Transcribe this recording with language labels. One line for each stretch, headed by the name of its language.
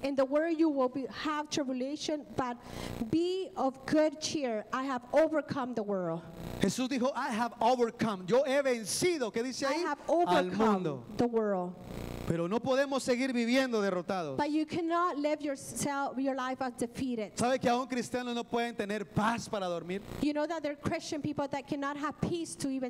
English: In the world you will have tribulation, but be of good cheer. I have overcome the world.
Spanish: Jesús dijo,
English: I have overcome.
Spanish: Yo he vencido. ¿Qué dice ahí?
English: I have overcome the world.
Spanish: Pero no podemos seguir viviendo derrotados.
English: But you cannot live yourself, your life as defeated.
Spanish: ¿Sabe que aún cristianos no pueden tener paz para dormir?
English: You know that there are Christian people that cannot have peace to even